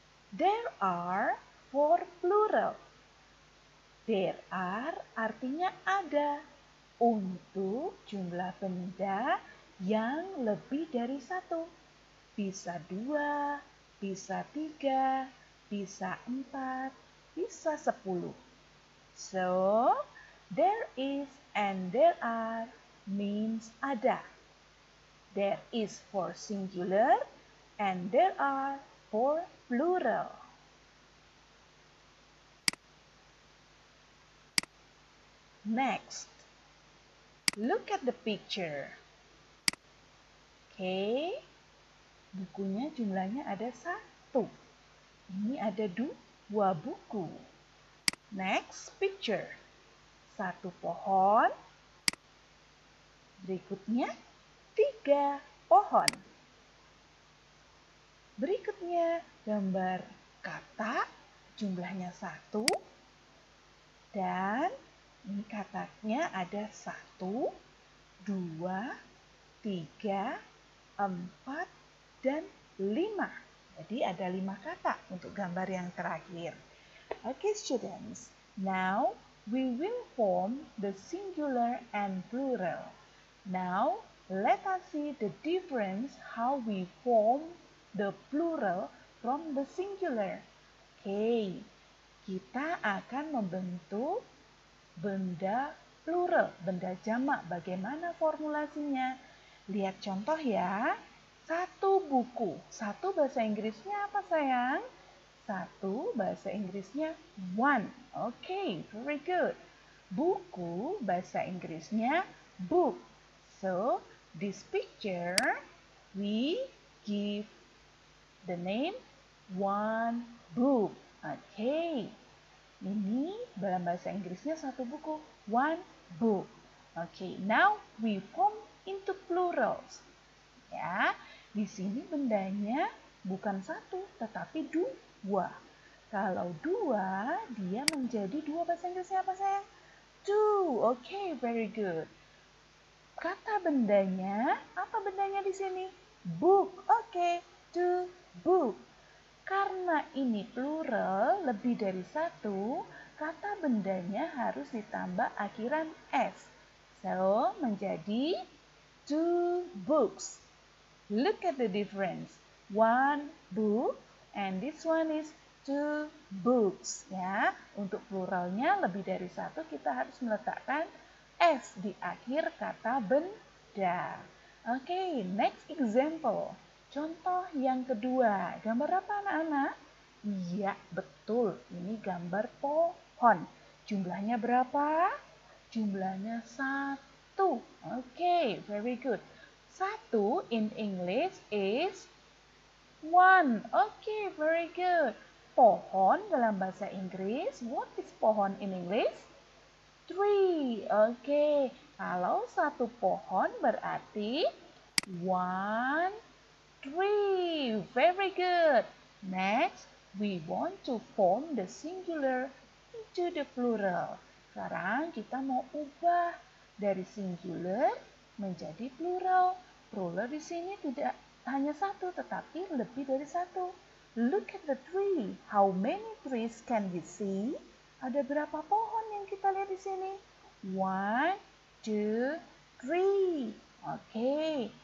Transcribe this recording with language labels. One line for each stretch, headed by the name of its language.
English: There are for plural. There are
Indonesian: artinya ada untuk jumlah benda yang lebih dari satu. Bisa dua, bisa tiga, bisa empat, bisa sepuluh.
English: So, there is and there are means ada. There is for singular and there are for plural. Next, look at the picture.
Indonesian: Okay, bukunya jumlahnya ada satu. Ini ada dua buku.
English: Next picture,
Indonesian: satu pohon. Berikutnya, tiga pohon. Berikutnya, gambar kata jumlahnya satu. Dan ini katanya ada satu, dua, tiga, empat, dan lima. Jadi ada lima kata untuk gambar yang terakhir.
English: Okay students, now we will form the singular and plural. Now let us see the difference how we form the plural from the singular.
Indonesian: Okay, kita akan membentuk benda plural, benda jamak. Bagaimana formulasinya? Lihat contoh ya. Satu buku. Satu bahasa Inggrisnya apa sayang? Satu bahasa Inggrisnya one.
English: Okay, very good.
Indonesian: Buku bahasa Inggrisnya book.
English: So, this picture we give the name one book. Okay.
Indonesian: Ini dalam bahasa Inggrisnya satu buku,
English: one book. Okay, now we form into plurals.
Indonesian: Ya, di sini bendanya bukan satu, tetapi dua. Kalau dua, dia menjadi dua bahasa Inggrisnya apa saya?
English: Two. Okay, very good.
Indonesian: Kata bendanya, apa bendanya di sini? Book.
English: Okay, two book.
Indonesian: Karena ini plural, lebih dari satu, kata bendanya harus ditambah akhiran S.
English: So, menjadi two books. Look at the difference. One book and this one is two books.
Indonesian: Ya, untuk pluralnya lebih dari satu, kita harus meletakkan S di akhir kata benda. Okay, next example. Contoh yang kedua, gambar apa anak-anak? Iya, betul. Ini gambar pohon. Jumlahnya berapa? Jumlahnya satu.
English: Okay, very good. Satu in English is one. Okay, very good.
Indonesian: Pohon dalam bahasa Inggris,
English: what is pohon in English?
Indonesian: Three. Okay, kalau satu pohon berarti one.
English: Three, very good. Next, we want to form the singular into the plural.
Indonesian: Sekarang kita mau ubah dari singular menjadi plural. Plural di sini tidak hanya satu, tetapi lebih dari satu.
English: Look at the tree. How many trees can we see?
Indonesian: Ada berapa pohon yang kita lihat di sini?
English: One, two, three. Okay.